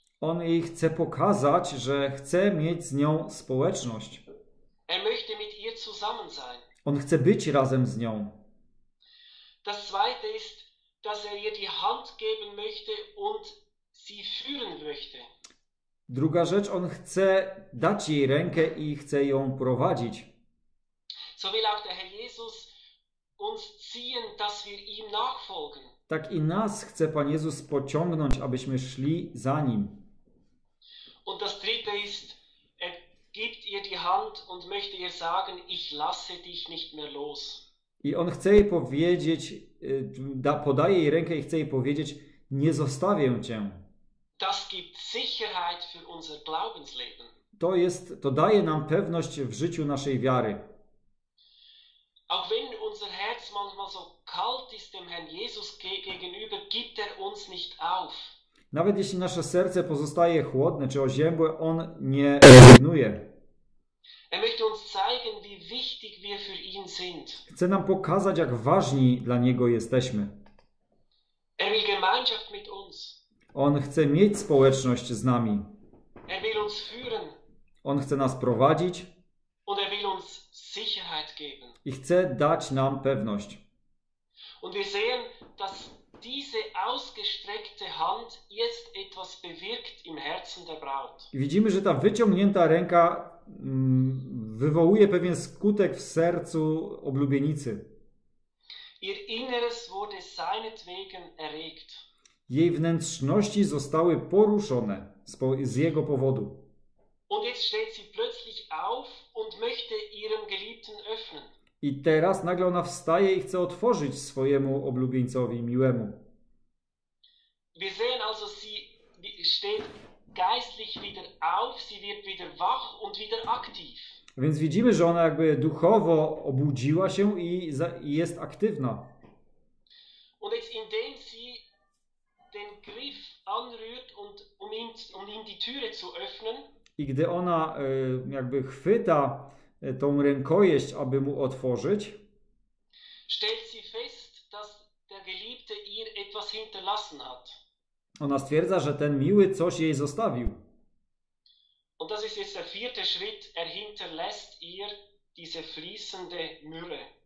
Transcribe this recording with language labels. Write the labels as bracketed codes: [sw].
[pl] On jej chce pokazać, że chce mieć z nią społeczność. [de] Er möchte mit ihr zusammen sein. [pl] On chce być razem z nią. [de] Das zweite ist, dass er ihr die Hand geben möchte und sie führen möchte. [pl] Druga rzecz, on chce dać jej rękę i chce ją prowadzić. [de] So will auch der Herr Jesus uns ziehen, dass wir ihm nachfolgen. [pl] Tak i nas chce Pan Jezus pociągnąć, abyśmy szli za Nim. [de] Und das dritte ist, gibt ihr die Hand und möchte ihr sagen, ich lasse dich nicht mehr los. [pl] I on chce jej powiedzieć, podaje jej rękę i chce jej powiedzieć, nie zostawię Cię. [de] Das gibt Sicherheit für unser Glaubensleben. [pl] To daje nam pewność w życiu naszej wiary. [de] Auch wenn unser Herz manchmal so kalt ist dem Herrn Jesus gegenüber, gibt er uns nicht auf. [pl] Nawet jeśli nasze serce pozostaje chłodne czy oziębłe, on nie rezygnuje. [de] Er möchte uns zeigen, wie wichtig wir für ihn sind. [pl] Chce nam pokazać, jak ważni dla Niego jesteśmy. [de] Er will Gemeinschaft mit uns. [pl] On chce mieć społeczność z nami. [de] Er will uns führen. [pl] On chce nas prowadzić [de] Und er will uns Sicherheit geben. [pl] i chce dać nam pewność. [de] Und wir sehen, dass diese ausgestreckte Hand jetzt etwas bewirkt im Herzen der Braut. [pl] I widzimy, że ta wyciągnięta ręka wywołuje pewien skutek w sercu oblubienicy. [de] Ihr Inneres wurde seinetwegen erregt. [pl] Jej wnętrzności zostały poruszone z jego powodu. [de] Und jetzt steht sie plötzlich auf und möchte ihrem Geliebten öffnen. [pl] I teraz nagle ona wstaje i chce otworzyć swojemu oblubieńcowi miłemu. [de] Wir sehen also, sie steht geistlich wieder auf, sie wird wieder wach und wieder aktiv. [pl] Więc widzimy, że ona jakby duchowo obudziła się i jest aktywna. [de] Und jetzt, indem sie den Griff anrührt, und um ihm die Türe zu öffnen, [pl] I gdy ona jakby chwyta tą rękojeść, aby mu otworzyć, [de] stellt sie fest, dass der Geliebte ihr etwas hinterlassen hat. [pl] ona stwierdza, że ten miły coś jej zostawił. [de] Und das ist jetzt der vierte Schritt. Er hinterlässt ihr diese fließende Myrrhe.